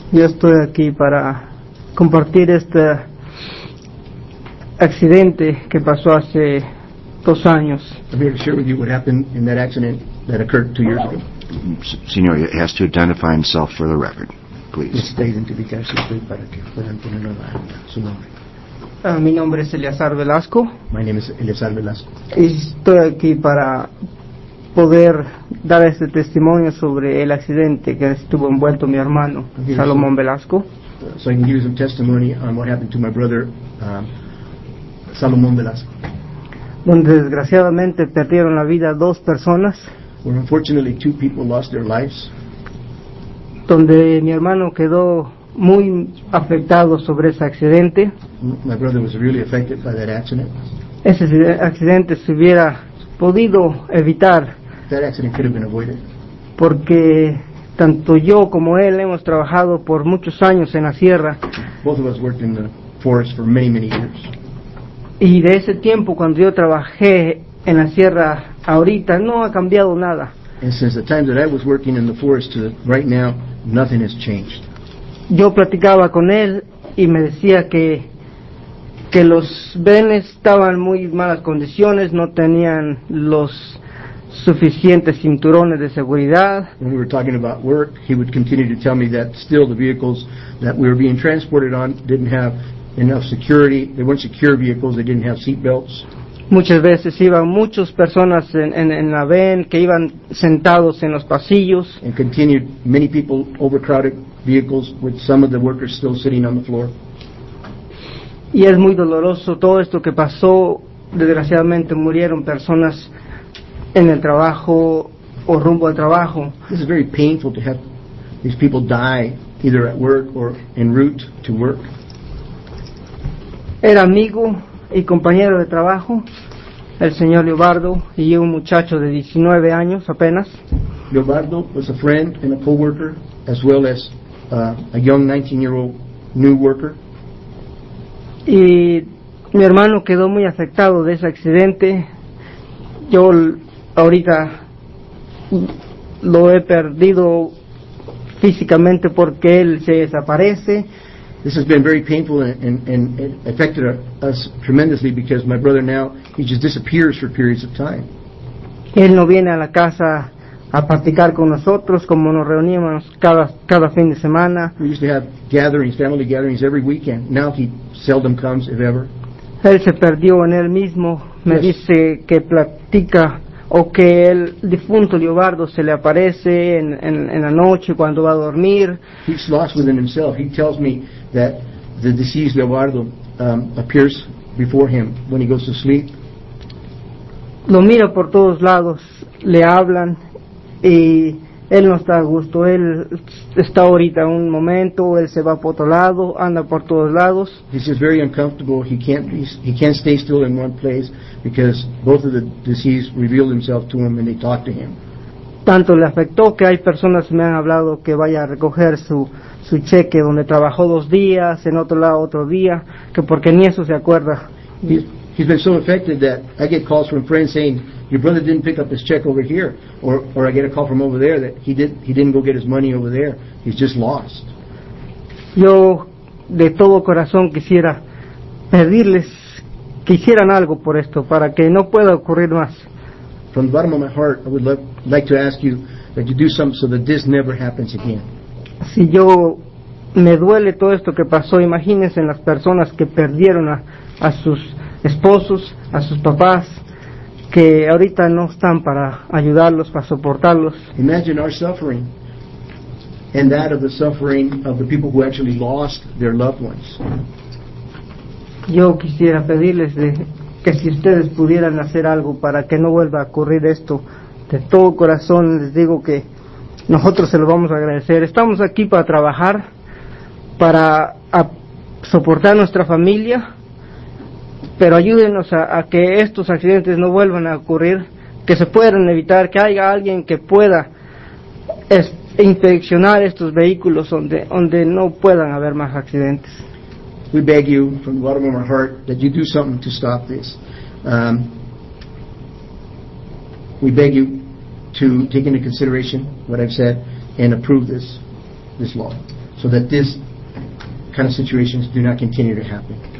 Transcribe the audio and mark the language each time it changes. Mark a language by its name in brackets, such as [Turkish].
[Spanish] Yo estoy aquí para compartir este accidente que pasó hace 2 años. [English] I'm here to share with you what happened in that accident that occurred 2 years ago. Señor, he has to identify himself for the record, please. [Spanish] Esta identificación estoy para que puedan poner nueva su nombre. Mi nombre es Eleazar Velasco. [English] My name is Eleazar Velasco. [Spanish] Y estoy aquí para poder dar este testimonio sobre el accidente que estuvo envuelto mi hermano, Salomón Velasco. [English] So I can give you some testimony on what happened to my brother, Salomón Velasco. [Spanish] Donde desgraciadamente perdieron la vida 2 personas. [English] Where unfortunately 2 people lost their lives. [Spanish] Donde mi hermano quedó muy afectado sobre ese accidente. [English] My brother was really affected by that accident. [Spanish] Ese accidente se hubiera podido evitar. [English] That accident could have been avoided. [Spanish] Porque tanto yo como él hemos trabajado por muchos años en la sierra. [English] Both of us worked in the forest for many, many years. [Spanish] Y de ese tiempo cuando yo trabajé en la sierra ahorita no ha cambiado nada. [English] And since the time that I was working in the forest to right now, nothing has changed. [Spanish] Yo platicaba con él y me decía que los benes estaban en muy malas condiciones, no tenían los suficientes cinturones de seguridad. [English] When we were talking about work, he would continue to tell me that still the vehicles that we were being transported on didn't have enough security. They weren't secure vehicles, they didn't have seat belts. [Spanish] Muchas veces iban muchas personas en la ven que iban sentados en los pasillos. [English] And continued many people overcrowded vehicles with some of the workers still sitting on the floor. [Spanish] Y es muy doloroso todo esto que pasó. Desgraciadamente murieron personas en el trabajo o rumbo al trabajo. [English] This is very painful to have these people die either at work or en route to work. [Spanish] Era amigo y compañero de trabajo, el señor Leobardo, y un muchacho de 19 años apenas. [English] Leobardo was a friend and a co-worker, as well as a young 19-year-old new worker. [Spanish] Y mi hermano quedó muy afectado de ese accidente. Yo ahorita lo he perdido físicamente porque él se desaparece. [English] This has been very painful and it affected us tremendously because my brother now, he just disappears for periods of time. [Spanish] Él no viene a la casa a practicar con nosotros como nos reuníamos cada fin de semana. [English] We used to have gatherings, family gatherings every weekend. Now he seldom comes, if ever. [Spanish] Él se perdió en él mismo. Me yes. Dice que platica o que el difunto Leobardo se le aparece en la noche cuando va a dormir. [English] He's lost within himself. He tells me that the deceased Leobardo appears before him when he goes to sleep. [Spanish] Lo mira por todos lados, le hablan, y él no está a gusto. Él está ahorita un momento, él se va por otro lado, anda por todos lados. [English] He's just very uncomfortable. He can't stay still in one place because both of the deceased reveal themselves to him and they talk to him. [Spanish] Tanto le afectó que hay personas que me han hablado que vaya a recoger su cheque donde trabajó 2 días, en otro lado otro día, que porque ni eso se acuerda. [English] He's been so affected that I get calls from friends saying, your brother didn't pick up his check over here. Or I get a call from over there that he didn't go get his money over there. He's just lost. [Spanish] Yo de todo corazón quisiera pedirles que hicieran algo por esto para que no pueda ocurrir más. [English] From the bottom of my heart, I would like to ask you that you do something so that this never happens again. [Spanish] Si yo me duele todo esto que pasó, imagínense las personas que perdieron a sus esposos, a sus papás, que ahorita no están para ayudarlos, para soportarlos. [English] Imagine our suffering and that of the suffering of the people who actually lost their loved ones. [Spanish] Yo quisiera pedirles que si ustedes pudieran hacer algo para que no vuelva a ocurrir esto, de todo corazón les digo que nosotros se lo vamos a agradecer. Estamos aquí para trabajar, para soportar nuestra familia, pero ayúdenos a que estos accidentes no vuelvan a ocurrir, que se puedan evitar, que haya alguien que pueda inspeccionar estos vehículos donde no puedan haber más accidentes. [English] We beg you from the bottom of our heart that you do something to stop this. we beg you to take into consideration what I've said and approve this law so that this kind of situations do not continue to happen.